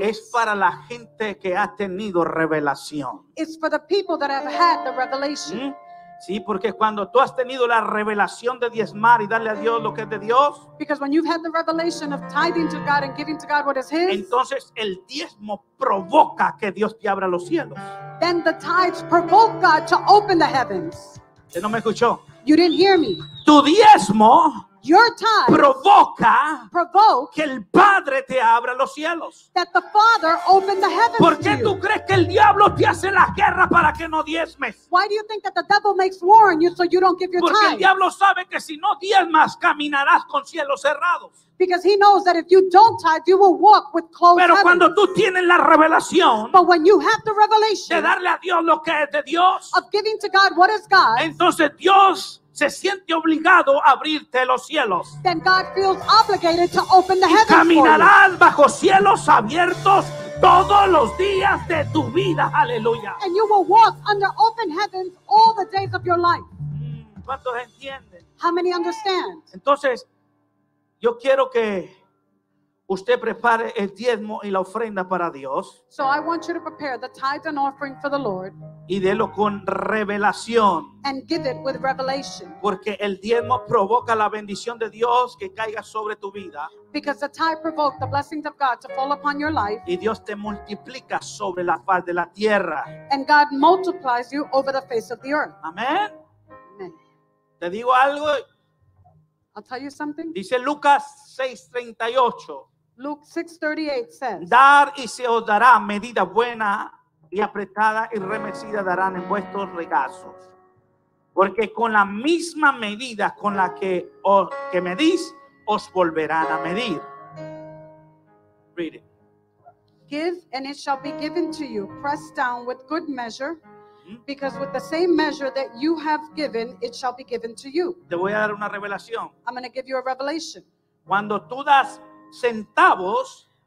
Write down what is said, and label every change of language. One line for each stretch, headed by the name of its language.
Spanish: Es para la gente que ha tenido revelación.
English: Is for the people that have had the revelation. ¿Mm?
Spanish: Sí, porque cuando tú has tenido la revelación de diezmar y darle a Dios lo que es de Dios.
English: Because when you've had the revelation of tithing to God and giving to God what is His.
Spanish: Entonces el diezmo provoca que Dios te abra los cielos.
English: Then the tithes provoke God to open the heavens.
Spanish: ¿Usted no me escuchó?
English: You didn't hear me.
Spanish: Tu diezmo.
English: Your tithes.
Spanish: Provoca.
English: Provoke.
Spanish: Que el Padre te abra los cielos.
English: That the Father open the heavens.
Spanish: ¿Por qué tú crees que el diablo te hace la guerra para que no diezmes?
English: Why do you think that the devil makes war on you so you don't give your tithes?
Spanish: Porque el diablo sabe que si no diezmas caminarás con cielos cerrados.
English: Because he knows that if you don't tithe, you will walk with closed
Spanish: pero
English: heavens.
Spanish: Pero cuando tú tienes la revelación.
English: But when you have the revelation.
Spanish: De darle a Dios lo que es de Dios.
English: Of giving to God what is God.
Spanish: Entonces Dios se siente obligado a abrirte los cielos.
English: Then God feels obligated to open the heavens.
Spanish: Y caminarás bajo cielos abiertos todos los días de tu vida. Aleluya.
English: And you will walk under open heavens all the days of your life.
Spanish: ¿Cuántos entienden?
English: How many understand?
Spanish: Entonces, yo quiero que usted prepare el diezmo y la ofrenda para Dios.
English: So I want you to prepare the tithe and offering for the Lord.
Spanish: Y délo con revelación.
English: And give it with revelation.
Spanish: Porque el diezmo provoca la bendición de Dios que caiga sobre tu vida.
English: Because the tithe provoked the blessings of God to fall upon your life.
Spanish: Y Dios te multiplica sobre la faz de la tierra.
English: And God multiplies you over the face of the earth.
Spanish: Amén. Te digo algo.
English: I'll tell you something.
Spanish: Dice Lucas 6:38.
English: Luke 6:38 says,
Spanish: dar y se os dará medida buena y apretada y remecida darán en vuestros regazos. Porque con la misma medida con la que que medís, os volverán a medir.
English: Read it. Give and it shall be given to you, pressed down with good measure, because with the same measure that you have given, it shall be given to you.
Spanish: Te voy a dar una revelación.
English: I'm going to give you a revelation.
Spanish: Cuando tú das centavos,